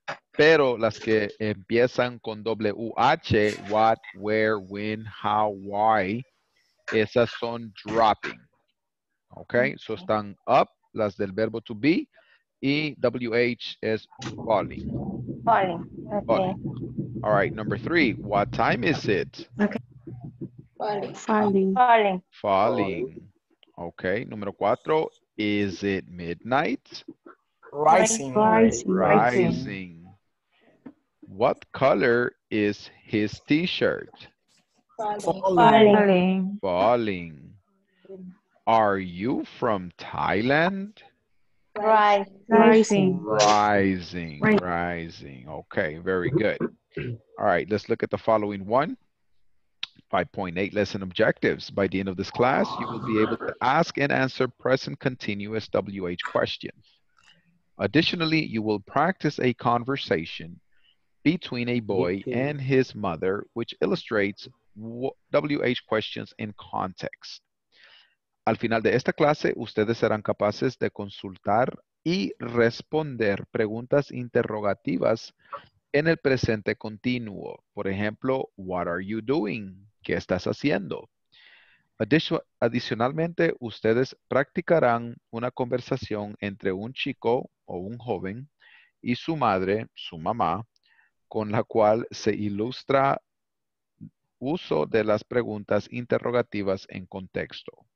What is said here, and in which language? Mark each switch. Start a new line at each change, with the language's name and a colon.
Spanish: Pero las que empiezan con WH, what, where, when, how, why, esas son dropping. Okay, so están up, las del verbo to be, y WH es falling.
English: Falling, okay. Falling. All right, number three, what time is it? Okay. Falling. Falling. Falling. Okay.
Spanish: Número cuatro.
English: Is it midnight? Rising. Rising. Rising. What color is his t-shirt? Falling. Falling. Falling. Are you from Thailand? Rising. Rising. Rising. Okay. Very good. All right. Let's look at the following one. 5.8 lesson objectives. By the end of this class, you will be able to ask and answer present continuous WH questions. Additionally, you will practice a conversation between a boy and his mother, which illustrates WH questions in context.
Spanish: Al final de esta clase, ustedes serán capaces de consultar y responder preguntas interrogativas en el presente continuo. Por ejemplo,
English: what are you doing?
Spanish: ¿Qué estás haciendo? Adicionalmente, ustedes practicarán una conversación entre un chico o un joven y su madre, su mamá, con la cual se ilustra uso de las preguntas interrogativas en contexto.